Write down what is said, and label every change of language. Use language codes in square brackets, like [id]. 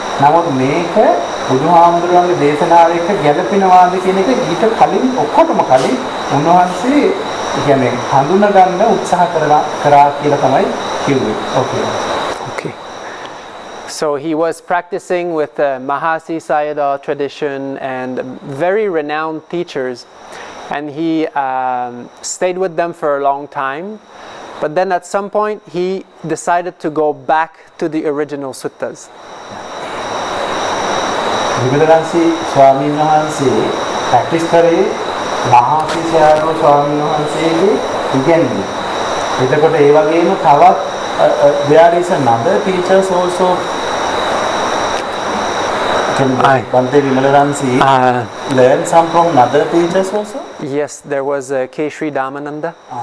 [si] නමුත් මේක බුදුහාමුදුරුවන්ගේ දේශනාවෙක ගැළපෙනවාද කියන එක ඊට කලින් ඔක්කොටම කලින් උන්වහන්සේ කියන්නේ හඳුනා ගන්න උත්සාහ කරා කියලා තමයි කිව්වේ. [en] Okay. Okay. So he was practicing with the Mahasi Sayadaw tradition and very renowned teachers, and he stayed with them for a long time. But then at some point he decided to go back to the original suttas. [si] විමලරාංශි ස්වාමීන් වහන්සේ practice කරේ මහාසි සයාදෝ ස්වාමීන් වහන්සේගේ ඉගැන්වීම. එතකොට ඒ වගේම තවත් [en] there is another teachers also Bhante Vimalaramsi learn some from other teachers also? Yes, there was Kshri Dhammananda.